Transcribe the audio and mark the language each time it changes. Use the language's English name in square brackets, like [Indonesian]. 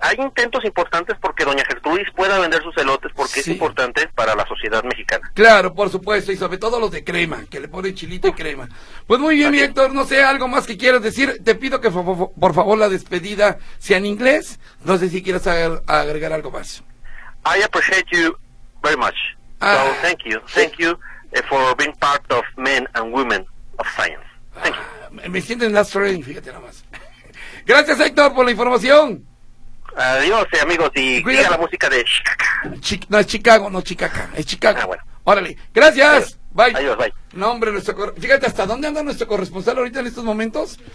[Spanish] Hay intentos importantes porque doña Gertrudis pueda vender sus elotes, porque sí, es importante para la sociedad mexicana. Claro, por supuesto, y sobre todo los de crema, que le pone chilito y crema. Pues muy bien, mi Héctor, no sé, algo más que quieras decir. Te pido que por favor la despedida sea en inglés. No sé si quieres agregar algo más. [English] I appreciate you very much. So thank you. Thank you for being part of men and women of science. Thank you. [Spanish] Me siento en la train, fíjate nada más. Gracias, Héctor, por la información. Adiós, amigos, y cuídate. Diga la música de Chicago. No, es Chicago, no Chicaca, es Chicago. Ah, bueno. Órale, gracias. Bye. Adiós, bye. No, hombre, fíjate, ¿hasta dónde anda nuestro corresponsal ahorita en estos momentos?